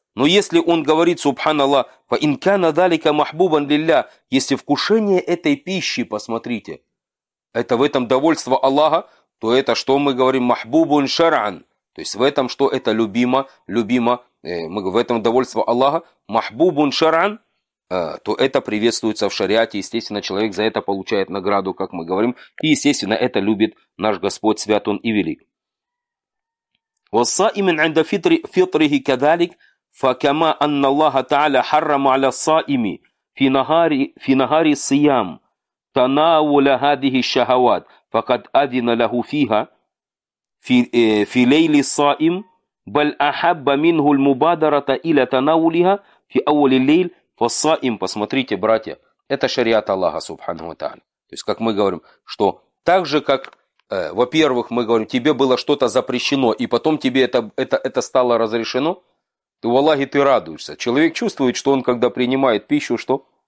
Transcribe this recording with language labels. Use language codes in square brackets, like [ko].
[ru] Но если он говорит, субханаллах, [ar] «Фа инкана далика махбубан лилля», [ru] если вкушение этой пищи, посмотрите, это в этом довольство Аллаха, то это, что мы говорим, махбубун шаран, то есть в этом, что это любимо, любимо, мы говорим, в этом довольство Аллаха, махбубун шаран, то это приветствуется в шариате, естественно, человек за это получает награду, как мы говорим, и, естественно, это любит наш Господь, свят он и велик. [ar] «Вассаимин анда фитрихи кадалик», فكما أن الله تعالى حرم على الصائم في نهار الصيام تناول هذه الشهوات فقد أذن له فيها في ليل الصائم بل أحب منه المبادرة إلى تناولها في أول الليل فالصائم [ru] посмотрите, братья, это шариат Аллаха Субхану ва Тааля. То есть, как мы говорим, что так же, как, во-первых, мы говорим, тебе было что-то запрещено, и потом тебе это стало разрешено, ты, валлахи, ты радуешься. Человек чувствует, что он, когда принимает пищу, что?